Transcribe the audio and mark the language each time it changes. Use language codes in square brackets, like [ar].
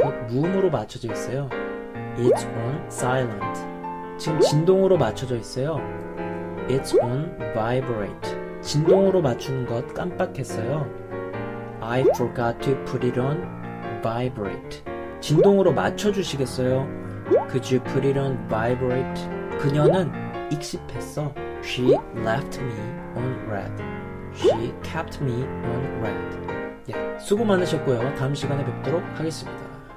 [ko] 무음으로 맞춰져 있어요. [en] It's on silent. [ko] 지금 진동으로 맞춰져 있어요. [en] It's on vibrate. [ko] 진동으로 맞추는 것 깜빡했어요. [en] I forgot to put it on vibrate. [ko] 진동으로 맞춰주시겠어요? [en] Could you put it on vibrate? [ko] 그녀는 익숙했어. [en] She left me on red. She kept me on red. [ko] 예, 수고 많으셨고요. 다음 시간에 뵙도록 하겠습니다.